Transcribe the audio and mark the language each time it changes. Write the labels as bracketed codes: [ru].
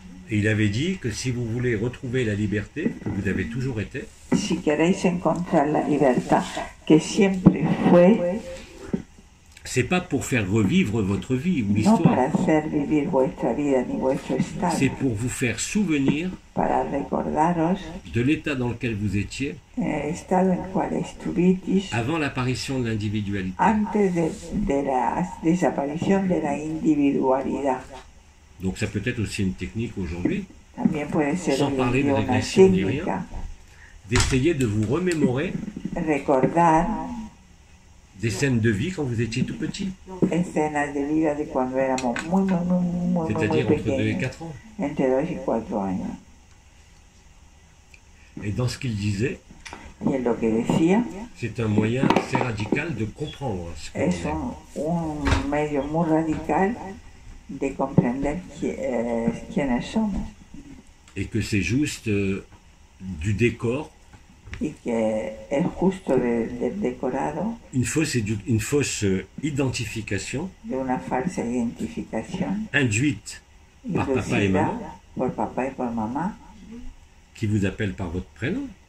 [fr] Et il avait dit que si vous voulez retrouver la liberté que vous avez toujours été, [es] si queréis encontrar la libertad que siempre fue, [fr] c'est pas pour faire revivre votre vie ou l'histoire. [es] No para hacer vivir vuestra vida, ni vuestro estado. [fr] C'est pour vous faire souvenir [es] para recordaros [fr] de l'état dans lequel vous étiez [es] estado en cual estuvisteis [fr] avant l'apparition de l'individualité. [es] Antes de la desaparición de la individualidad. [fr] Donc ça peut être aussi une technique aujourd'hui, [es] también puede ser [fr] sans parler de régression ni rien, d'essayer de vous remémorer [es] recordar [fr] des scènes de vie quand vous étiez tout petit. [es] Escenas de vida de cuando éramos muy, muy, muy, muy, muy pequeños. [fr] C'est-à-dire entre 2 et 4 ans. [es] Entre 2 y 4 años. [fr] Et dans ce qu'il disait, [es] y en lo que decía, [fr] c'est un moyen assez radical de comprendre ce que [es] es un medio muy radical de comprender quiénes somos. [fr] Et que c'est juste du décor. [es] Et que est juste le décorado. [fr] Une fausse identification. [es] De una falsa identificación. [fr] Induite par papa et maman. [es] Por papá y por mamá. [fr] Qui vous appelle par votre prénom.